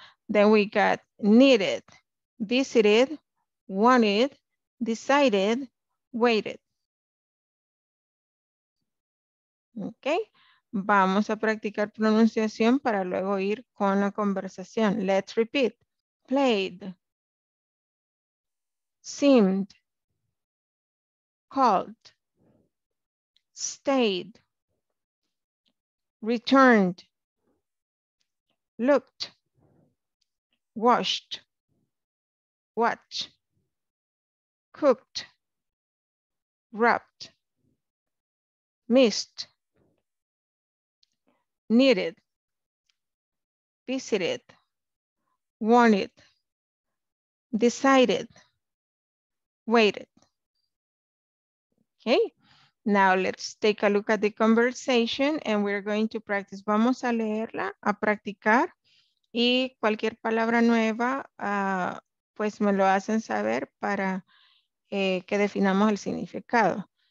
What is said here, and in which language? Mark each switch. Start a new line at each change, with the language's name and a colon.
English: Then we got needed, visited, wanted, decided, waited. Okay.
Spanish: Vamos a practicar pronunciación para luego ir con la conversación.
English: Let's repeat. Played. Seemed, called, stayed, returned, looked, washed, watched, cooked, wrapped, missed, needed, visited, wanted, decided, waited. Okay, now let's take a look at the conversation and we're going to practice.
Spanish: Vamos a leerla, a practicar, y cualquier palabra nueva, pues me lo hacen saber para que definamos el significado.